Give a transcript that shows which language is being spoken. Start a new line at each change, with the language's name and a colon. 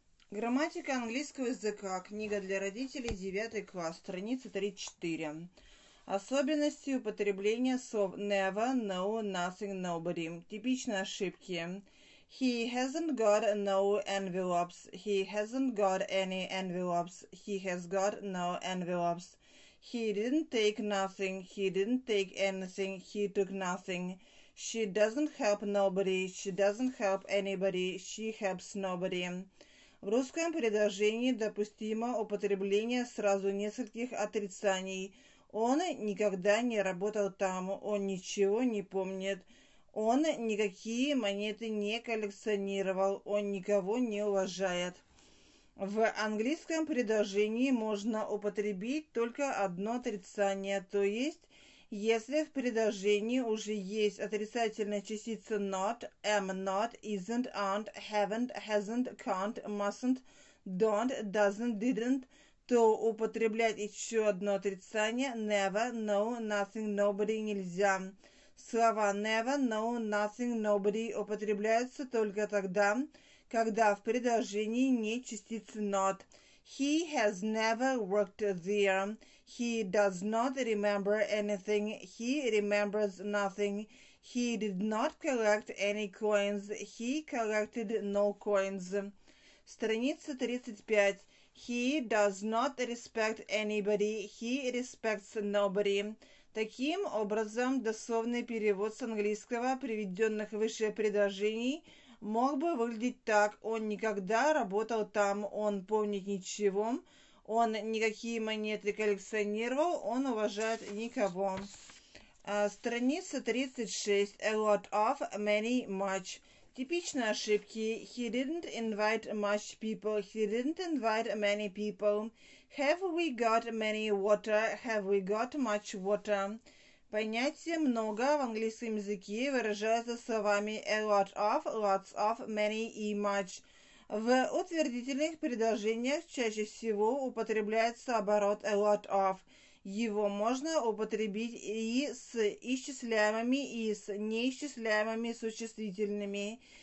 Russian: Грамматика английского языка. Книга для родителей. 9 класс. Страница 34. Особенности употребления слов never, no, nothing, nobody. Типичные ошибки.
English: He hasn't got no envelopes. He hasn't got any envelopes. He has got no envelopes. He didn't take nothing. He didn't take anything. He took nothing. She doesn't help nobody. She doesn't help anybody. She helps nobody.
Russian: В русском предложении допустимо употребление сразу нескольких отрицаний. Он никогда не работал там. Он ничего не помнит. Он никакие монеты не коллекционировал. Он никого не уважает. В английском предложении можно употребить только одно отрицание, то есть, если в предложении уже есть отрицательная частица not, am not, isn't, aren't, haven't, hasn't, can't, mustn't, don't, doesn't, didn't, то употреблять еще одно отрицание never, no, nothing, nobody нельзя. Слова never, no, nothing, nobody употребляются только тогда, когда в предложении нет частицы not.
English: He has never worked there. He does not remember anything. He remembers nothing. He did not collect any coins. He collected no coins.
Russian: Страница 35.
English: He does not respect anybody. He respects nobody.
Russian: Таким образом, дословный перевод с английского приведенных выше предложений мог бы выглядеть так. Он никогда работал там, он помнит ничего, он никакие монеты коллекционировал, он уважает никого. Страница 36.
English: A lot of, many, much.
Russian: Типичные ошибки.
English: He didn't invite much people. He didn't invite many people. Have we got many water? Have we got much water?
Russian: Понятие «много» в английском языке выражается словами a lot of, lots of, many и much. В утвердительных предложениях чаще всего употребляется оборот a lot of. Его можно употребить и с исчисляемыми, и с неисчисляемыми существительными.